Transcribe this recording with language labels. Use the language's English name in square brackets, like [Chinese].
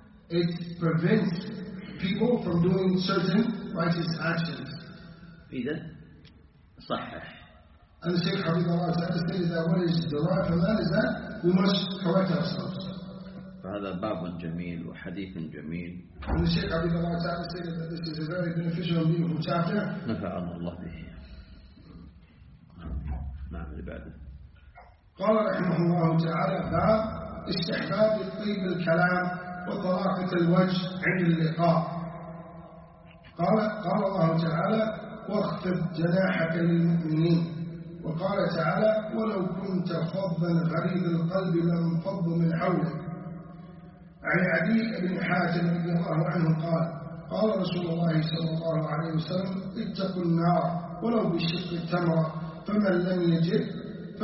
[English] It prevents people from doing certain righteous actions. [Arabic] إذن صحح. [English] And the Shaykh Habib Allah Ta'ala says that what is derived from that is that we must correct ourselves. [Arabic] فهذا باب جميل وحديث جميل. [English] And the Shaykh Habib Allah Ta'ala says that this is a very beneficial and beautiful chapter. [Arabic] نفعنا الله به. نعم لبعده. قال رحمه الله تعالى باب استحباب طيب الكلام وطلاقة الوجه عند اللقاء قال الله تعالى واخفض جناحك للمؤمنين وقال تعالى ولو كنت فظا غليظ القلب لانفضوا من حولك عن عدي بن حاتم رضي الله عنه قال رسول الله صلى الله عليه وسلم اتقوا النار ولو بشق التمرة فمن لم يجد ف